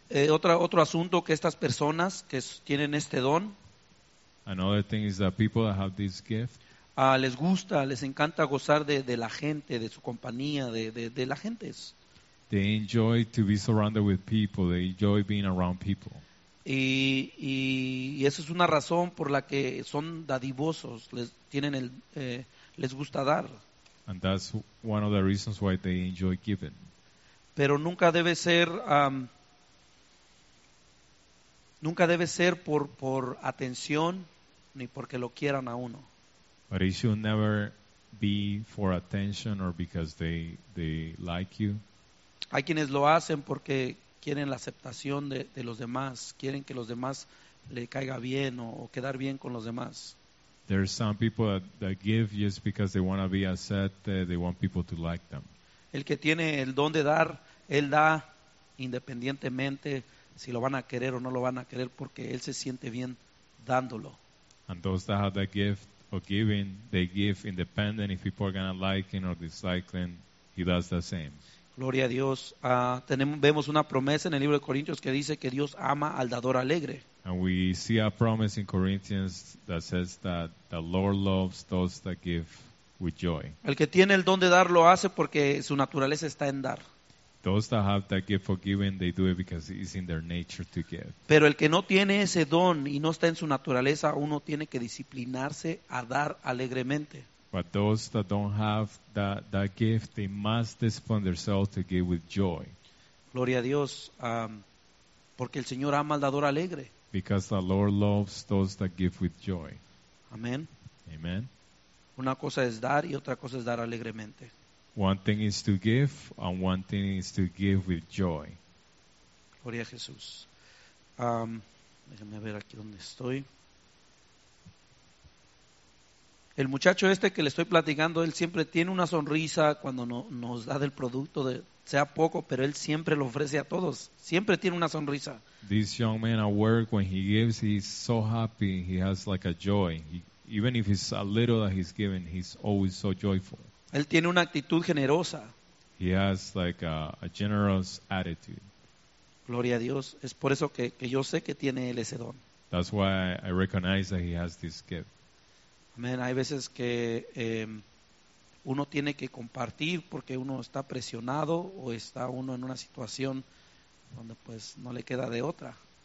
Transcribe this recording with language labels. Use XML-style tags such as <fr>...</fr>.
<es>Otro asunto que estas personas que tienen este don.</es> <en>Another thing is that people that have this gift.</en> <es>Les gusta, les encanta gozar de la gente, de su compañía, de la gente.</es> <en>They enjoy to be surrounded with people. They enjoy being around people.</en> <es>Y esa es una razón por la que son dadivosos. Les gusta dar.</es> <en>And that's one of the reasons why they enjoy giving.</en> <es>Pero nunca debe ser por atención ni porque lo quieran a uno.</es> <en>But it should never be for attention or because they like you.</en> <es>Hay quienes lo hacen porque quieren la aceptación de los demás, quieren que los demás le caiga bien o quedar bien con los demás.</es> <en>There are some people that give just because they want to be accepted, they want people to like them.</en> <es>El que tiene el don de dar, él da independientemente si lo van a querer o no lo van a querer, porque él se siente bien dándolo.</es> <en>And those that have the gift of giving, they give independent. If people are going to like him or dislike him, he does the same.</en> <es>Gloria a Dios. Vemos una promesa en el libro de Corintios que dice que Dios ama al dador alegre.</es> <en>And we see a promise in Corinthians that says that the Lord loves those that give with joy.</en> <es>El que tiene el don de dar lo hace porque su naturaleza está en dar.</es> <en>Those that have that gift of giving, they do it because it's in their nature to give.</en> <es>Pero el que no tiene ese don y no está en su naturaleza, uno tiene que disciplinarse a dar alegremente.</es> <en>But those that don't have that gift, they must discipline themselves to give with joy.</en> <es>Gloria a Dios, porque el Señor ama al dador alegre.</es> <en>Because the Lord loves those that give with joy. Amen. Amen.</en> <es>Una cosa es dar y otra cosa es dar alegremente.</es> <en>One thing is to give, and one thing is to give with joy.</en> <es>Gloria a Jesús. Déjame ver aquí donde estoy. El muchacho este que le estoy platicando, él siempre tiene una sonrisa cuando nos da del producto, sea poco, pero él siempre lo ofrece a todos. Siempre tiene una sonrisa.</es> <en>This young man at work, when he gives, he's so happy. He has like a joy. Even if it's a little that he's giving, he's always so joyful.</en> <es>Él tiene una actitud generosa.</es> <en>He has like a generous attitude.</en> <es>Gloria a Dios. Es por eso que yo sé que tiene él ese don.</es> <en>That's why I recognize that he has this gift.</en> <es>Amén. Hay veces que uno tiene que compartir porque uno está presionado o está uno en una situación donde pues no le queda de otra.</es>